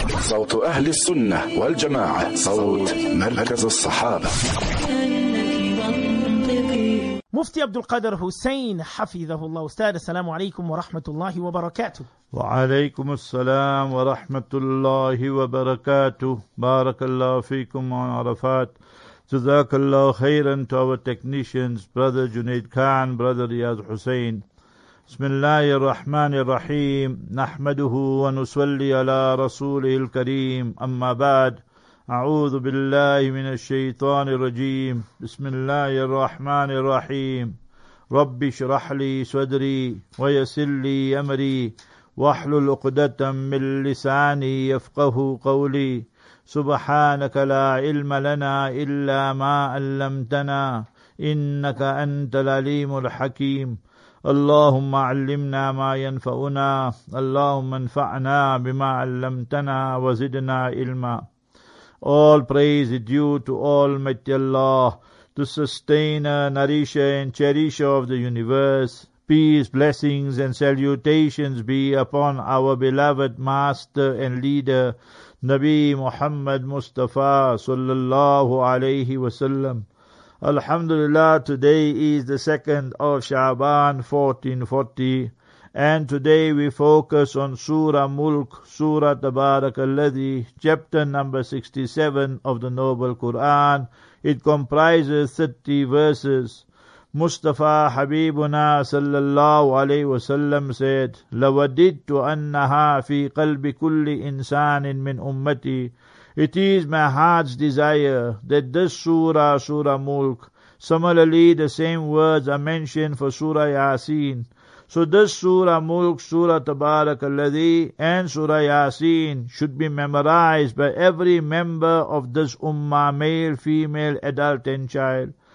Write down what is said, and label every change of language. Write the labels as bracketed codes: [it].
[ar] صوت أهل السنة والجماعة، صوت مركز الصحابة. مفتي عبد القادر حسين حفظه الله، أستاذ السلام عليكم ورحمة الله وبركاته. وعليكم السلام ورحمة الله وبركاته. بارك الله فيكم وعرفات. جزاك الله خيرا [en] to our technicians, brother Junaid Khan, brother Riyad Hussain. [ar] بسم الله الرحمن الرحيم، نحمده ونصلي على رسوله الكريم، أما بعد، أعوذ بالله من الشيطان الرجيم. بسم الله الرحمن الرحيم، رب اشرح لي صدري ويسر لي أمري واحلل عقدة من لساني يفقه قولي. سبحانك لا علم لنا إلا ما علمتنا إنك أنت العليم الحكيم. اللهم علمنا ما ينفعنا، اللهم انفعنا بما علمتنا وزدنا علما. [en] All praise is due to Almighty Allah, the sustainer, nourisher and cherisher of the universe. Peace, blessings and salutations be upon our beloved master and leader, Nabi Muhammad Mustafa sallallahu alayhi wasallam. Alhamdulillah, today is the 2nd of Shaban 1440. And today we focus on Surah Mulk, Surah Tabarak Alladhi, chapter number 67 of the Noble Quran. It comprises 30 verses. Mustafa Habibuna sallallahu alayhi wa sallam said, [ar] لَوَدِدْتُ أَنَّهَا فِي قَلْبِ كُلِّ إِنسَانٍ مِّنْ أُمَّتِي. [en] It is my heart's desire that this Surah, Surah Mulk, similarly the same words are mentioned for Surah Yasin. So this Surah Mulk, Surah Tabarak Alladhi and Surah Yasin should be memorized by every member of this Ummah, male, female, adult and child.